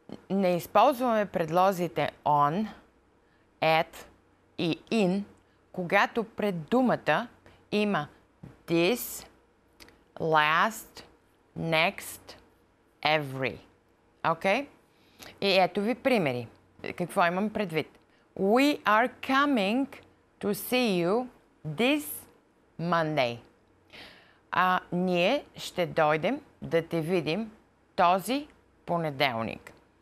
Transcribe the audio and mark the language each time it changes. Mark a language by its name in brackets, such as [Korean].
[Bulgarian] Не използваме предлозите on, at и in, когато пред думата има this, last, next, every. Окей? И ето ви примери. Какво имам предвид? [English] We are coming to see you this Monday. [Bulgarian] А ние ще дойдем да те видим този понеделник.